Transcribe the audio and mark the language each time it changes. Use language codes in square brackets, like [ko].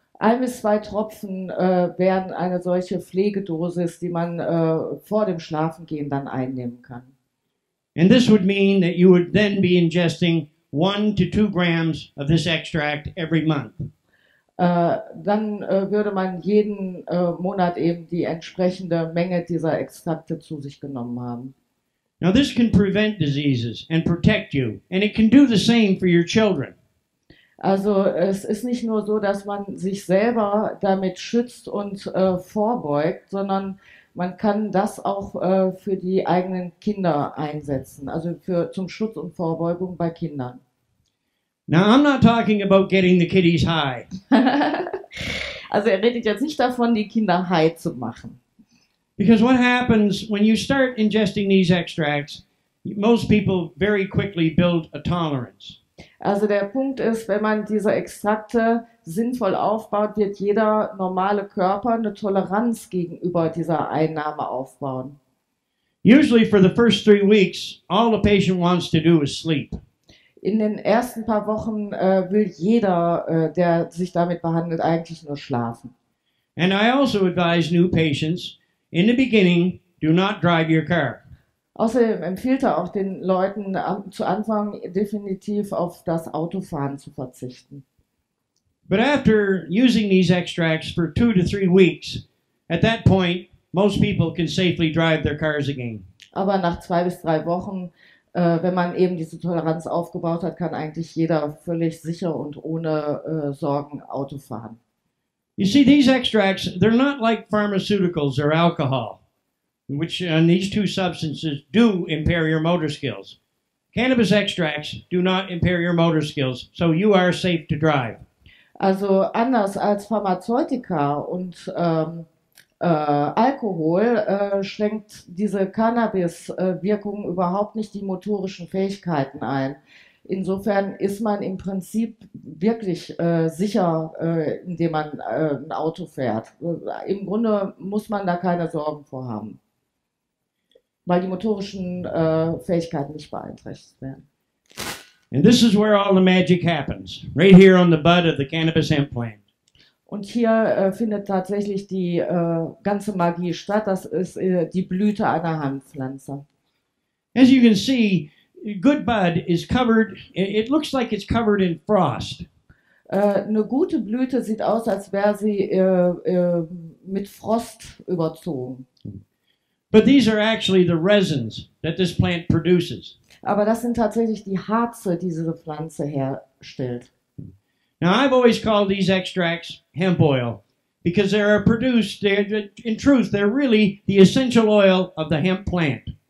[de] 1 bis 2 Tropfen wären eine solche Pflegedosis, die man vor dem Schlafengehen dann einnehmen kann. [en] And this would mean that you would then be ingesting 1 to 2 grams of this extract every month. [de] Dann würde man jeden Monat eben die entsprechende Menge dieser Extrakte zu sich genommen haben. [en] Now this can prevent diseases and protect you, and it can do the same for your children. [de] Also es ist nicht nur so, dass man sich selber damit schützt und vorbeugt, sondern man kann das auch für die eigenen Kinder einsetzen, also für zum Schutz und Vorbeugung bei Kindern. [en] Now I'm not talking about getting the kiddies high. [de] Also er redet jetzt nicht davon, die Kinder high zu machen. [en] Because what happens when you start ingesting these extracts, most people very quickly build a tolerance. [de] Also der Punkt ist, wenn man diese Extrakte sinnvoll aufbaut, wird jeder normale Körper eine Toleranz gegenüber dieser Einnahme aufbauen. [en] Usually for the first 3 weeks, all the patient wants to do is sleep. [de] In den ersten paar Wochen will jeder, der sich damit behandelt, eigentlich nur schlafen. [en] And I also advise new patients, in the beginning, do not drive your car. [de] Außerdem empfiehlt er auch den Leuten, zu Anfang definitiv auf das Autofahren zu verzichten. [en] But after using these extracts for 2 to 3 weeks, at that point, most people can safely drive their cars again. [de] Aber nach 2 bis 3 Wochen, wenn man eben diese Toleranz aufgebaut hat, kann eigentlich jeder völlig sicher und ohne Sorgen Auto fahren. [en] You see, these extracts, they're not like pharmaceuticals or alcohol, which these two substances do impair your motor skills. Cannabis extracts do not impair your motor skills, so you are safe to drive. [de] Also anders als Pharmazeutika und Alkohol schränkt diese Cannabis-Wirkung überhaupt nicht die motorischen Fähigkeiten ein. Insofern ist man im Prinzip wirklich sicher, indem man ein Auto fährt. Im Grunde muss man da keine Sorgen vorhaben, weil die motorischen Fähigkeiten nicht beeinträchtigt werden. [en] And this is where all the magic happens, right here on the bud of the cannabis implant. [de] Und hier findet tatsächlich die ganze Magie statt. Das ist die Blüte einer Hanfpflanze. [en] As you can see, good bud is covered. It looks like it's covered in frost. [de] Eine gute Blüte sieht aus, als wäre sie mit Frost überzogen. [en] But these are actually the resins that this plant produces. [de] Aber das sind tatsächlich die Harze, die diese Pflanze herstellt. [en] Now I've always called these extracts hemp oil because they are produced, in truth, they're really the essential oil of the hemp plant.